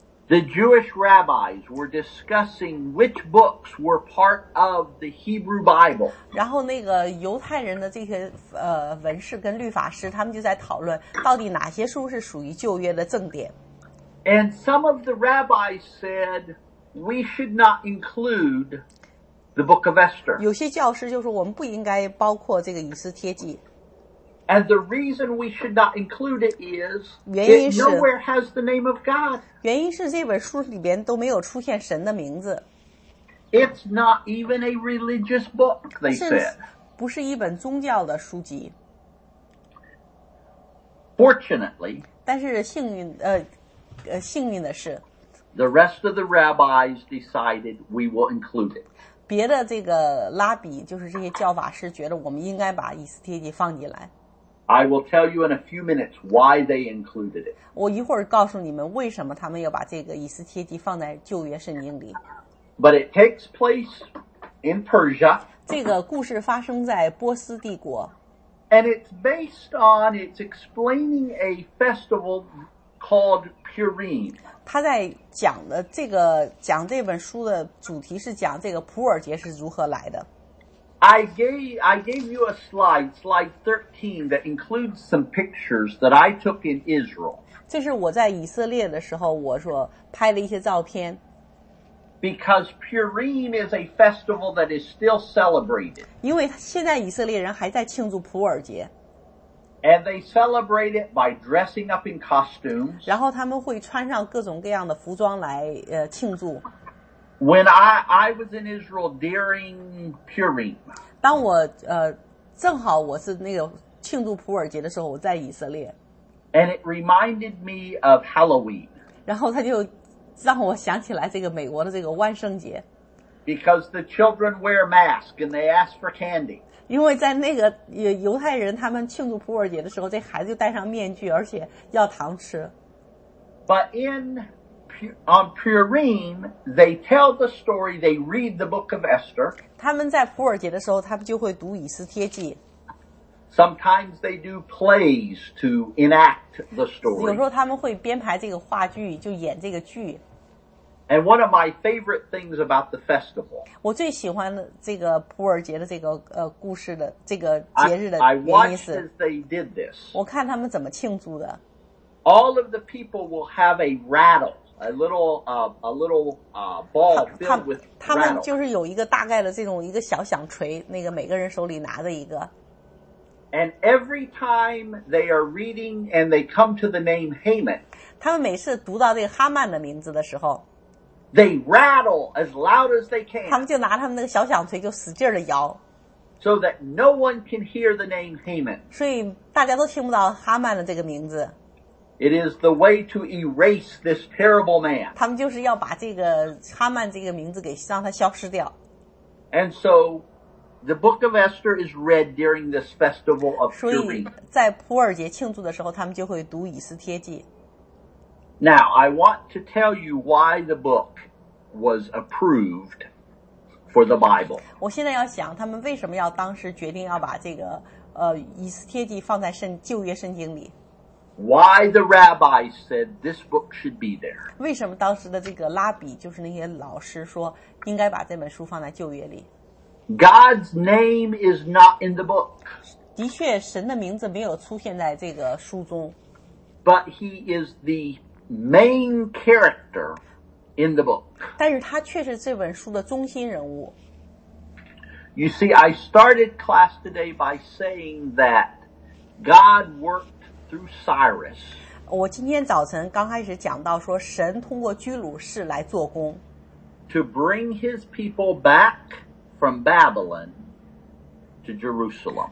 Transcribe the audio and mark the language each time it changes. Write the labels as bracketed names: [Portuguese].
[English] the Jewish rabbis were discussing which books were part of the Hebrew Bible. [Chinese] 然后那个犹太人的这些文士跟律法师他们就在讨论到底哪些书是属于旧约的正典。 [English] And some of the rabbis said we should not include the book of Esther. [Chinese] 有些教师就说我们不应该包括这个以斯帖记。 [English] And the reason we should not include it is it nowhere has the name of God. [Chinese] 原因是这本书里边都没有出现神的名字。 [English] It's not even a religious book, they said. [Chinese] 不是一本宗教的书籍。 [English] Fortunately, [Chinese] 但是幸运的是 [English] the rest of the rabbis decided we will include it. [Chinese] 别的这个拉比就是这些教法师觉得我们应该把以斯帖记放进来。 [English] I will tell you in a few minutes why they included it. [Chinese] 我一会儿告诉你们为什么他们要把这个以斯帖记放在旧约圣经里。 [English] But it takes place in Persia. [Chinese] 这个故事发生在波斯帝国。 [English] And it's based on, it's explaining a festival called Purine. [Chinese] 他在讲的这个讲这本书的主题是讲这个普洱节是如何来的。 [English] I gave you a slide, slide 13, that includes some pictures that I took in Israel. [Chinese] 这是我在以色列的时候我所拍的一些照片。 [English] Because Purim is a festival that is still celebrated. [Chinese] 因为现在以色列人还在庆祝普洱节。 [English] And they celebrate it by dressing up in costumes. [Chinese] 然后他们会穿上各种各样的服装来庆祝。 [English] When I was in Israel during Purim. [Chinese] 当我正好我是那个庆祝普尔节的时候我在以色列。 [English] And it reminded me of Halloween. [Chinese] 然后他就让我想起来这个美国的这个万圣节。 [English] Because the children wear masks and they ask for candy. [Chinese] 因为在那个犹太人他们庆祝普尔节的时候这孩子就戴上面具而且要糖吃。 [English] But on Purim, they tell the story, they read the book of Esther. [Chinese] 他们在普尔节的时候他们就会读以斯帖记。 [English] Sometimes they do plays to enact the story. [Chinese] 有时候他们会编排这个话剧就演这个剧。 [English] And one of my favorite things about the festival. [Chinese] 我最喜欢这个普尔节的这个故事的这个节日的原因是。 [English] I watched as they did this. [Chinese] 我看他们怎么庆祝的。 [English] All of the people will have a rattle. A little ball filled with rattle. [Chinese] 他们就是有一个大概的这种一个小响锤那个每个人手里拿着一个。 [English] And every time they are reading and they come to the name Haman. [Chinese] 他们每次读到这个哈曼的名字的时候。 [English] They rattle as loud as they can. [Chinese] 他们就拿他们那个小响锤就使劲的摇。 [English] So that no one can hear the name Haman. [Chinese] 所以大家都听不到哈曼的这个名字。 [English] It is the way to erase this terrible man. [Chinese] 他们就是要把这个哈曼这个名字给让他消失掉。 [English] And so, the book of Esther is read during this festival of Purim. [Chinese] 所以在普尔节庆祝的时候他们就会读以斯帖记。 [English] Now, I want to tell you why the book was approved for the Bible. [Chinese] 我现在要想他们为什么要当时决定要把这个以斯帖记放在旧约圣经里。 [English] Why the rabbis said this book should be there. [Chinese] 为什么当时的这个拉比就是那些老师说应该把这本书放在旧约里。 [English] God's name is not in the book. [Chinese] 的确神的名字没有出现在这个书中。 [English] But he is the main character in the book. [Chinese] 但是他却是这本书的中心人物。 [English] You see, I started class today by saying that God worked through Cyrus. [Chinese] 我今天早晨刚开始讲到说神通过居鲁士来做工。 [English] To bring his people back from Babylon to Jerusalem.